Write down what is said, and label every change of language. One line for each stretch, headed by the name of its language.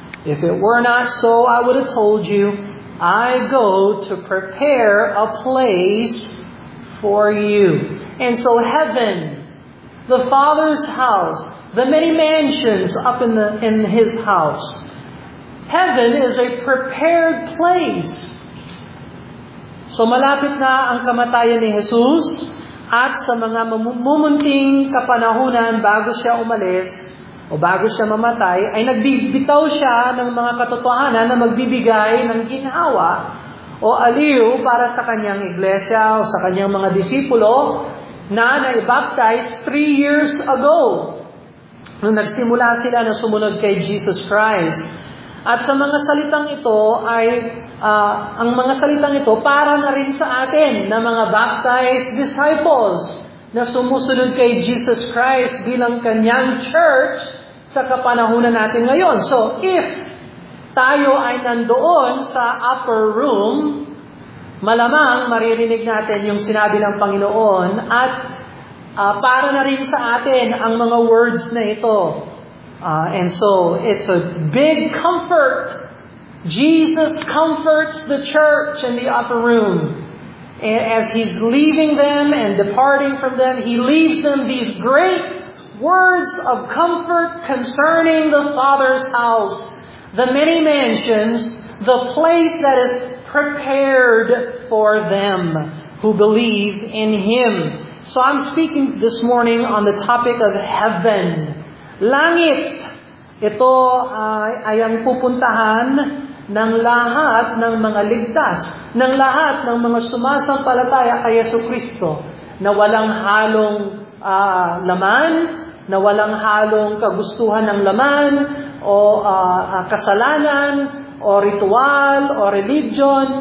English: If it were not so, I would have told you, I go to prepare a place for you. And so heaven, the Father's house, the many mansions up in his house. Heaven is a prepared place.
Filipino: So malapit na ang kamatayan ni Jesus, at sa mga mamumunting kapanahunan bago siya umalis o bago siya mamatay, ay nagbibitaw siya ng mga katotohanan na magbibigay ng ginhawa o aliw para sa kanyang iglesia o sa kanyang mga disipulo na naibaptize 3 years ago nung nagsimula sila na sumunod kay Jesus Christ. At sa mga salitang ito ay ang mga salitang ito para na rin sa atin na mga baptized disciples na sumusunod kay Jesus Christ bilang kanyang church sa kapanahunan natin ngayon. So if tayo ay nandoon sa upper room, malamang maririnig natin yung sinabi ng Panginoon at para na rin sa atin ang mga words na ito.
English: And so it's a big comfort. Jesus comforts the church in the upper room. And as he's leaving them and departing from them, he leaves them these great words of comfort concerning the Father's house, the many mansions, the place that is prepared for them who believe in him. So I'm speaking this morning on the topic of heaven.
Filipino: Langit, ito ay ang pupuntahan ng lahat ng mga ligtas, ng lahat ng mga sumasampalataya kay Jesucristo na walang halong laman, na walang halong kagustuhan ng laman o kasalanan o ritual o religion.